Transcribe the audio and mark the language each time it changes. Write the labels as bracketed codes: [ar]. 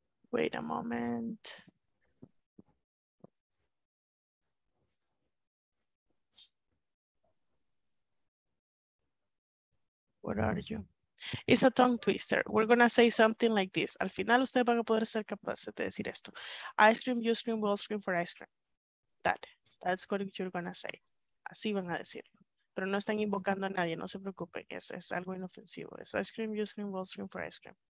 [en] Wait a moment. What are you? It's a tongue twister. We're going to say something like this. [es] Al final, ustedes van a poder ser capaces de decir esto. [en] Ice cream, you scream, we'll scream for ice cream. That's what you're going to say. [es] Así van a decirlo. Pero no están invocando a nadie. No se preocupen. Es algo inofensivo. [en] It's ice cream, you scream, we'll scream for ice cream.